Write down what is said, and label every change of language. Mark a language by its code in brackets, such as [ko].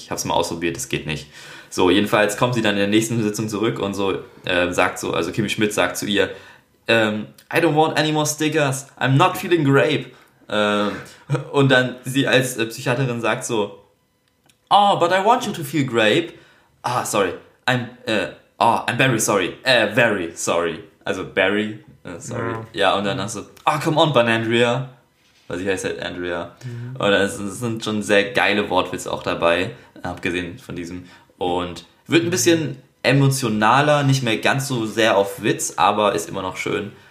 [de] Ich habe es mal ausprobiert, das geht nicht. So, jedenfalls kommt sie dann in der nächsten Sitzung zurück und so sagt so, also Kimi Schmidt sagt zu ihr, [en] I don't want any more stickers, I'm not feeling grape. [de] Und dann sie als Psychiaterin sagt so, [en] oh, but I want you to feel grape. Ah, sorry, I'm very sorry, very sorry. Also very sorry. No. [de] Ja, und dann so, [en] oh, come on, [de] Banandria. Weil sie heißt halt Andrea. Mhm. Und es sind schon sehr geile Wortwitze auch dabei, abgesehen von diesem. Und wird ein bisschen emotionaler, nicht mehr ganz so sehr auf Witz, aber ist immer noch schön.